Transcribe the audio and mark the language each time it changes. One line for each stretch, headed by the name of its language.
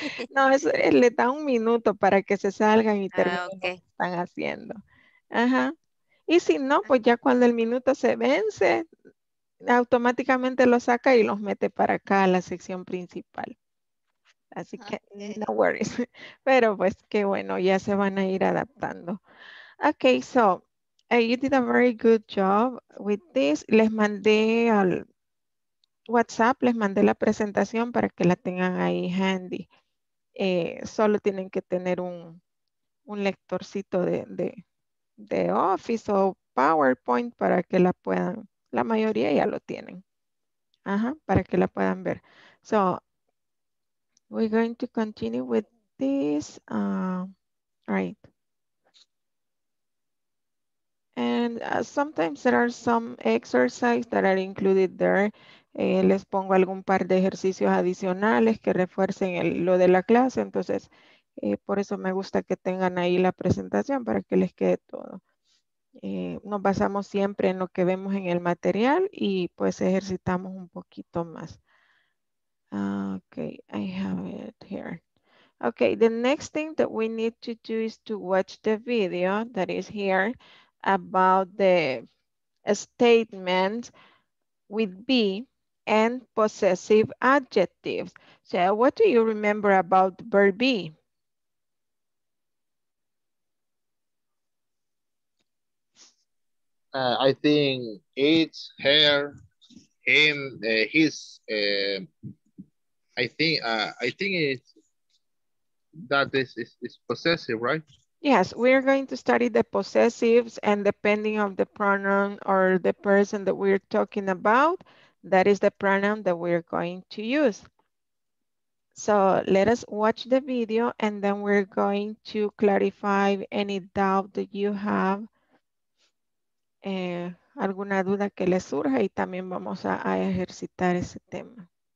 Spanish: No, eso le da un minuto para que se salgan y terminen lo que están haciendo. Ajá. Y si no, pues ya cuando el minuto se vence, automáticamente los saca y los mete para acá a la sección principal. Así que,
English: no worries.
Spanish: Pero pues, qué bueno, ya se van a ir adaptando.
English: Okay, so, you did a very good job with this.
Spanish: Les mandé al WhatsApp, les mandé la presentación para que la tengan ahí handy. Solo tienen que tener un lectorcito de Office o PowerPoint para que la puedan, la mayoría ya lo tienen. Ajá, para que la puedan ver.
English: So, we're going to continue with this. Right. And sometimes there are some exercises that are included there.
Spanish: Les pongo algún par de ejercicios adicionales que refuercen lo de la clase. Entonces, por eso me gusta que tengan ahí la presentación para que les quede todo. Nos basamos siempre en lo que vemos en el material y pues ejercitamos un poquito más.
English: Okay, I have it here. Okay, the next thing that we need to do is to watch the video that is here about the statement with be and possessive adjectives. So what do you remember about the verb be? I think it's her, him, his. I think it's that this is possessive, right? Yes, we're going to study the possessives, and depending on the pronoun or the person that we're talking about, that is the pronoun that we're going to use. So let us watch the video, and then we're going to clarify any doubt that you have.
Spanish: Alguna duda que les surja y también vamos a ejercitar ese tema.